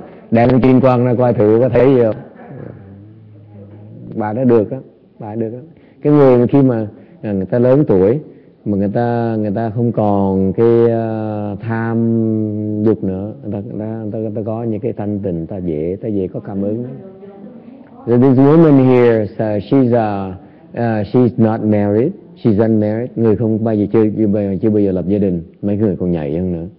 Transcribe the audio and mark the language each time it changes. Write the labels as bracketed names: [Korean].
[Vietnamese] Đem kim quang ra coi thử có thấy gì không. Bà đã được đó. Cái người khi mà người ta lớn tuổi mà người ta không còn cái tham dục nữa, người ta có những cái thanh tịnh, ta dễ có cảm ứng. [English] So this woman here, so she's not married. She's unmarried, [Vietnamese] người không bao giờ chưa bao giờ lập gia đình, mấy người còn nhảy hơn nữa.